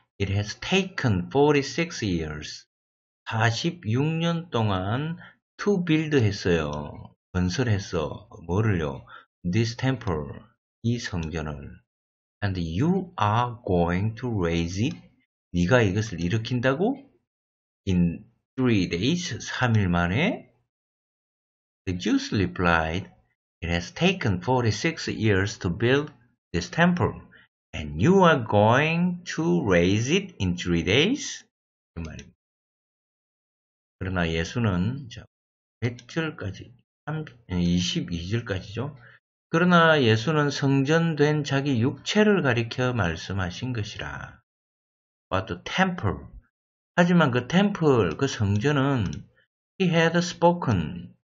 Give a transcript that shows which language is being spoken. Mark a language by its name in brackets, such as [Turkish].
[English] It has taken 46 years. [Korean] 46년 동안 [English] to build [Korean] 했어요. 건설했어. 뭐를요? [English] This temple. [Korean] 이 성전을. [English] And you are going to raise it? [Korean] 네가 이것을 일으킨다고? [English] In 3 days, [Korean] 3일 만에? [English] The youth replied, It has taken 46 years to build this temple, and you are going to raise it in 3 days? [Korean] 그 말입니다. 그러나 예수는 몇 절까지? 22절까지죠. 그러나 예수는 성전된 자기 육체를 가리켜 말씀하신 것이라. [English] But the temple. [Korean] 하지만 그 [English] temple, [Korean] 그 성전은 [English] He had spoken.